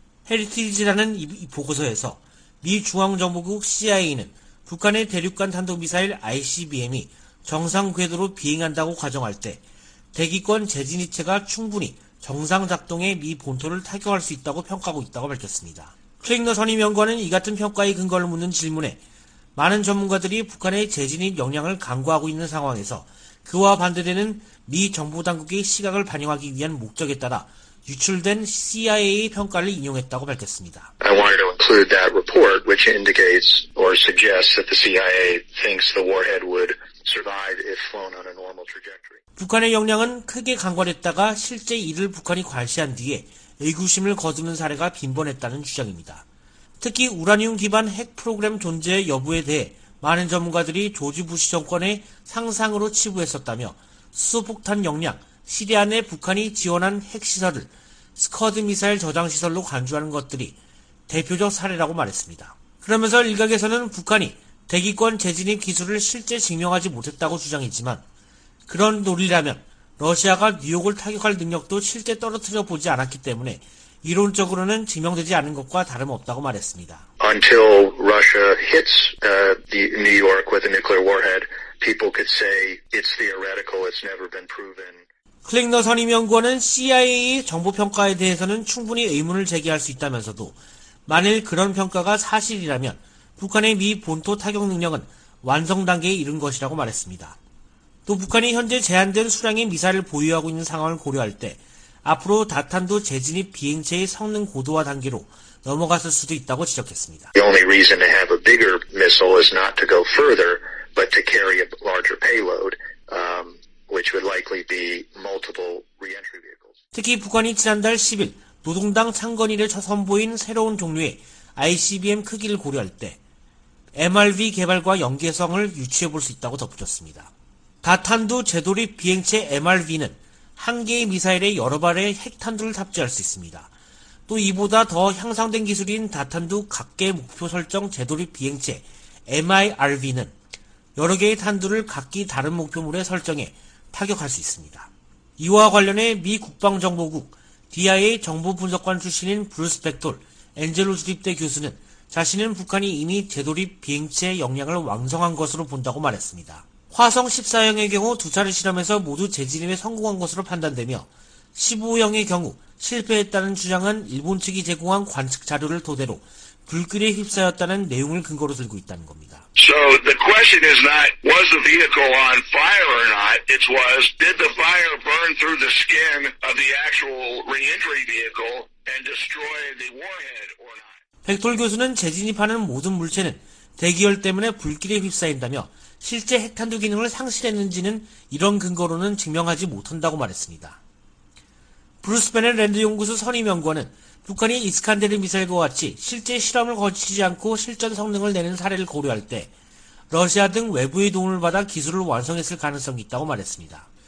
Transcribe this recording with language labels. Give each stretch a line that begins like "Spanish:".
Korean: 헤리티지 재단은 이 보고서에서 미 중앙정보국 CIA는 북한의 대륙간 탄도미사일 ICBM이 정상 궤도로 비행한다고 가정할 때 대기권 재진입체가 충분히 정상작동에 미 본토를 타격할 수 있다고 평가하고 있다고 밝혔습니다. 클링너 선임연구원은 이 같은 평가의 근거를 묻는 질문에 많은 전문가들이 북한의 재진입 역량을 강구하고 있는 상황에서 그와 반대되는 미 정보당국의 시각을 반영하기 위한 목적에 따라 유출된 CIA의 평가를 인용했다고 밝혔습니다.
English: I wanted to include that report which indicates or suggests that the CIA thinks the warhead would survive if flown on a normal trajectory.
Korean: 북한의 역량은 크게 강과됐다가 실제 이를 북한이 과시한 뒤에 의구심을 거두는 사례가 빈번했다는 주장입니다. 특히 우라늄 기반 핵 프로그램 존재 여부에 대해 많은 전문가들이 조지 부시 정권의 상상으로 치부했었다며 수소폭탄 역량, 시리아 내 북한이 지원한 핵시설을 스커드 미사일 저장시설로 간주하는 것들이 대표적 사례라고 말했습니다. 그러면서 일각에서는 북한이 대기권 재진입 기술을 실제 증명하지 못했다고 주장했지만 그런 논리라면 러시아가 뉴욕을 타격할 능력도 실제 떨어뜨려 보지 않았기 때문에 이론적으로는 증명되지 않은 것과 다름없다고 말했습니다.
English: until Russia hits New York with a nuclear warhead, people could say it's theoretical, it's never been proven.
Korean: 클릭너 선임연구원은 CIA 정보평가에 대해서는 충분히 의문을 제기할 수 있다면서도 만일 그런 평가가 사실이라면 북한의 미 본토 타격 능력은 완성 단계에 이른 것이라고 말했습니다. 또 북한이 현재 제한된 수량의 미사일을 보유하고 있는 상황을 고려할 때 앞으로 다탄도 재진입 비행체의 성능 고도화 단계로 넘어갔을 수도 있다고 지적했습니다.
English: The only reason to have a bigger missile is not to go further, but to carry a larger payload, which would likely be multiple re-entry vehicles.
Korean: 특히 북한이 지난달 10일 노동당 창건일을 선보인 새로운 종류의 ICBM 크기를 고려할 때 MRV 개발과 연계성을 유추해볼 수 있다고 덧붙였습니다. 다탄두 재돌입 비행체 MRV는 한 개의 미사일에 여러 발의 핵탄두를 탑재할 수 있습니다. 또 이보다 더 향상된 기술인 다탄두 각개 목표 설정 재돌입 비행체 MIRV는 여러 개의 탄두를 각기 다른 목표물에 설정해 타격할 수 있습니다. 이와 관련해 미 국방정보국 DIA 정보분석관 출신인 브루스 백돌 엔젤로스 립대 교수는 자신은 북한이 이미 재돌입 비행체의 역량을 완성한 것으로 본다고 말했습니다. 화성 14형의 경우 두 차례 실험에서 모두 재진입에 성공한 것으로 판단되며 15형의 경우 실패했다는 주장은 일본 측이 제공한 관측 자료를 토대로 불길에 휩싸였다는 내용을 근거로 들고 있다는 겁니다.
English: So the question is not was the vehicle on fire or not, it was did the fire burn through the skin of the actual re-entry vehicle and destroy the warhead or not?
Korean: 백돌 교수는 재진입하는 모든 물체는 대기열 때문에 불길에 휩싸인다며 실제 핵탄두 기능을 상실했는지는 이런 근거로는 증명하지 못한다고 말했습니다. 브루스 베넷 랜드연구소 선임연구원은 북한이 이스칸데르 미사일과 같이 실제 실험을 거치지 않고 실전 성능을 내는 사례를 고려할 때 러시아 등 외부의 도움을 받아 기술을 완성했을 가능성이 있다고 말했습니다.